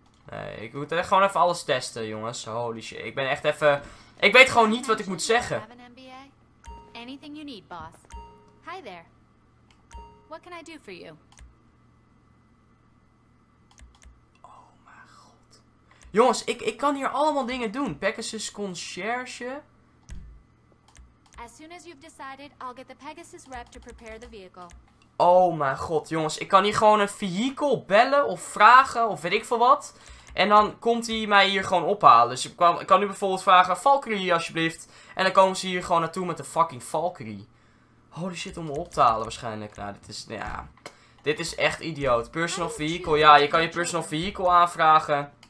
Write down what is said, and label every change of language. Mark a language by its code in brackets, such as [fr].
[nl] Nee, ik moet echt gewoon even alles testen, jongens. Holy shit. Ik ben echt even... Ik weet gewoon niet wat ik moet zeggen. [en] Anything you need, boss. Hi, Hi there. What can I do for you? [nl] Oh mijn god. Jongens, ik kan hier allemaal dingen doen. Pegasus Concierge. [en] As soon as you've decided, I'll get the Pegasus rep to prepare the vehicle. [nl] Oh mijn god, jongens. Ik kan hier gewoon een vehikel bellen of vragen of weet ik veel wat. En dan komt hij mij hier gewoon ophalen. Dus ik kan nu bijvoorbeeld vragen, Valkyrie alsjeblieft. En dan komen ze hier gewoon naartoe met de fucking Valkyrie. Holy shit, om me op te halen waarschijnlijk. Nou, dit is, ja. Dit is echt idioot. Personal vehicle, ja, je kan je personal vehicle aanvragen.